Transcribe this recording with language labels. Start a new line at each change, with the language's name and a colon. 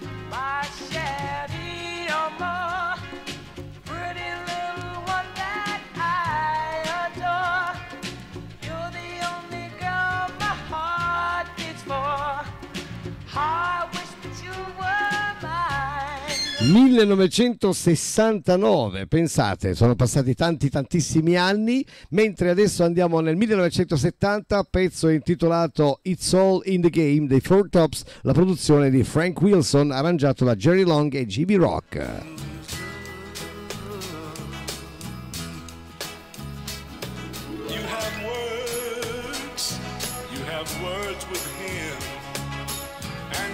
English: My Cherie Amour, pretty little one that I adore. You're the only girl my heart beats for. I wish that you were mine.
Italian: 1969, pensate, sono passati tanti tantissimi anni, mentre adesso andiamo nel 1970, pezzo intitolato It's All in the Game dei Four Tops, la produzione di Frank Wilson, arrangiato da Jerry Long e Jimmy Rock.
English: You have words, you have words with him.